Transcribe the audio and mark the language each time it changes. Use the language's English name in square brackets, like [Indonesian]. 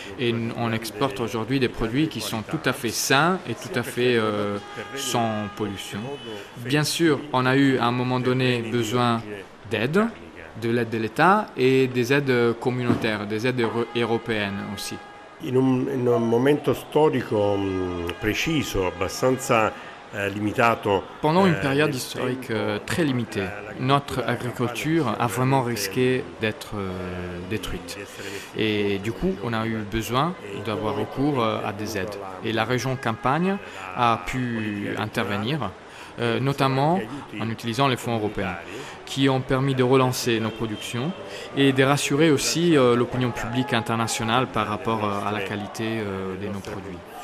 [French] Et on exporte aujourd'hui des produits qui sont tout à fait sains et tout à fait sans pollution. Bien sûr, on a eu à un moment donné besoin d'aide, de l'aide de l'État et des aides communautaires, des aides européennes aussi. [Italian] In un momento storico preciso, abbastanza limitato. [French] Pendant une période historique très limitée, notre agriculture a vraiment risqué d'être détruite. Et du coup, on a eu besoin d'avoir recours à des aides. Et la région Campagne a pu intervenir, notamment en utilisant les fonds européens, qui ont permis de relancer nos productions et de rassurer aussi l'opinion publique internationale par rapport à la qualité de nos produits.